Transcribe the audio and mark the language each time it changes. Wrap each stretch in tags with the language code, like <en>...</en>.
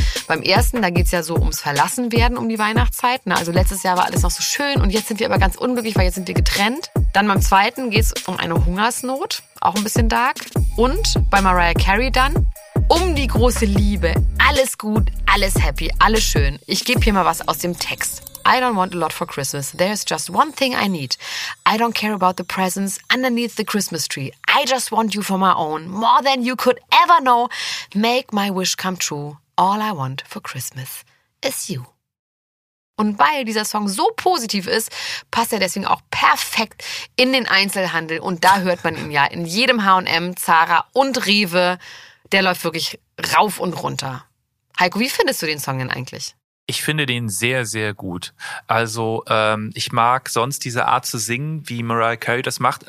<de>Beim ersten, da geht es ja so ums Verlassenwerden um die Weihnachtszeit. Na, also letztes Jahr war alles noch so schön und jetzt sind wir aber ganz unglücklich, weil jetzt sind wir getrennt. Dann beim zweiten geht es um eine Hungersnot, auch ein bisschen dark. Und bei Mariah Carey dann um die große Liebe. Alles gut, alles happy, alles schön. Ich gebe hier mal was aus dem Text.</de> <en>I don't want a lot for Christmas. There is just one thing I need. I don't care about the presents underneath the Christmas tree. I just want you for my own. More than you could ever know. Make my wish come true. All I want for Christmas is you.</en> <de>Und weil dieser Song so positiv ist, passt er deswegen auch perfekt in den Einzelhandel. Und da hört man ihn ja in jedem H&M, Zara und Rewe. Der läuft wirklich rauf und runter. Heiko, wie findest du den Song denn eigentlich? Ich finde den sehr, sehr gut. Also ich mag sonst diese Art zu singen, wie Mariah Carey das macht.</de>